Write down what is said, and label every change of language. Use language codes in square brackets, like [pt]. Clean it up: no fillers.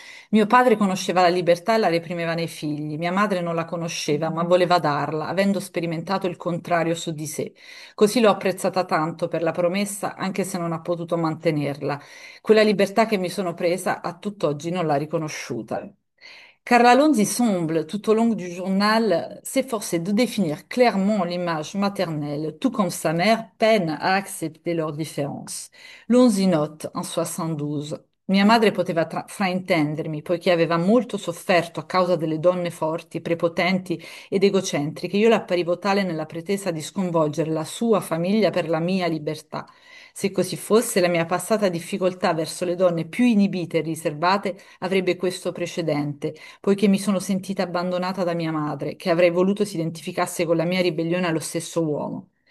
[it] Mio padre conosceva la libertà e la reprimeva nei figli. Mia madre non la conosceva, ma voleva darla, avendo sperimentato il contrario su di sé. Così l'ho apprezzata tanto per la promessa, anche se non ha potuto mantenerla. Quella libertà che mi sono presa, a tutt'oggi non l'ha riconosciuta. [fr] Carla Lonzi semble, tout au long du journal, s'efforcer de définir clairement l'image maternelle, tout comme sa mère peine à accepter leur différence. Lonzi note en 72: [it] Mia madre poteva fraintendermi, poiché aveva molto sofferto a causa delle donne forti, prepotenti ed egocentriche. Io l'apparivo tale nella pretesa di sconvolgere la sua famiglia per la mia libertà. Se così fosse, la mia passata difficoltà verso le donne più inibite e riservate avrebbe questo precedente, poiché mi sono sentita abbandonata da mia madre, che avrei voluto si identificasse con la mia ribellione allo stesso uomo.